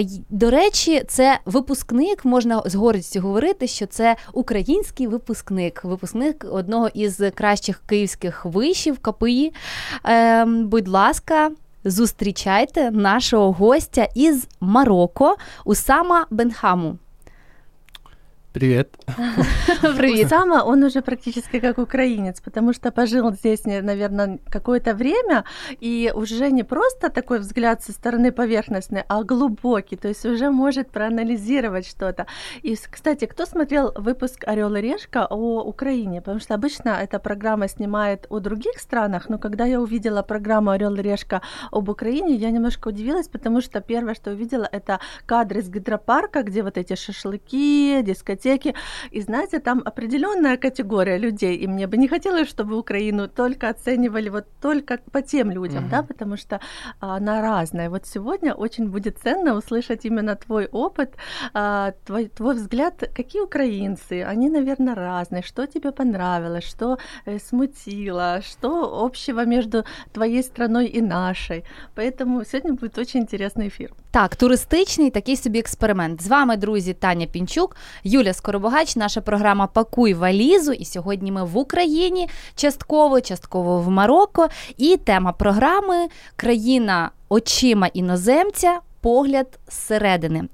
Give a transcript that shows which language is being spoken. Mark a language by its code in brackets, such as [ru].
[uk] До речі, це випускник, можна з гордістю говорити, що це український випускник, випускник одного із кращих київських вишів КПІ. Будь ласка, зустрічайте нашого гостя із Марокко, Усама Бенхаму. [ru] Привет. Привет. Усама, он уже практически как украинец, потому что пожил здесь, наверное, какое-то время, и уже не просто такой взгляд со стороны поверхностный, а глубокий, то есть уже может проанализировать что-то. И, кстати, кто смотрел выпуск «Орёл и Решка» о Украине? Потому что обычно эта программа снимает о других странах, но когда я увидела программу «Орёл и Решка» об Украине, я немножко удивилась, потому что первое, что увидела, это кадры из гидропарка, где вот эти шашлыки, дискотеки, и знаете, там определенная категория людей, и мне бы не хотелось, чтобы Украину только оценивали вот только по тем людям, да, потому что она разная. Вот сегодня очень будет ценно услышать именно твой опыт, твой взгляд, какие украинцы, они, наверное, разные, что тебе понравилось, что смутило, что общего между твоей страной и нашей. Поэтому сегодня будет очень интересный эфир. [uk] Так, туристичний такий собі експеримент. З вами, друзі, Таня Пінчук, Юля Скоробогач, наша програма «Пакуй валізу». І сьогодні ми в Україні, частково в Марокко. І тема програми – країна очима іноземця, погляд зсередини.